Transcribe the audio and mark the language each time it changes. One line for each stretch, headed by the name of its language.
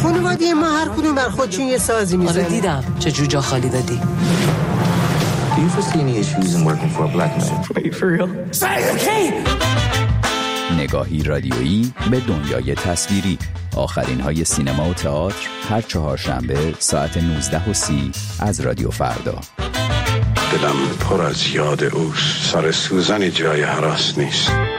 Persian: خانوادی ما هر کدوم بر خودشون یه سازی میزنن آره دیدم چه جوجا خالی دادی
English: Do you foresee any issues in working for a black man? Wait, for real? Say it again!
Persian: نگاهی رادیویی به دنیای تصویری آخرین های سینما و تئاتر هر چهارشنبه ساعت 19:30 از رادیو فردا دلم پر از یاد اوست سر سوزنی جای هراس نیست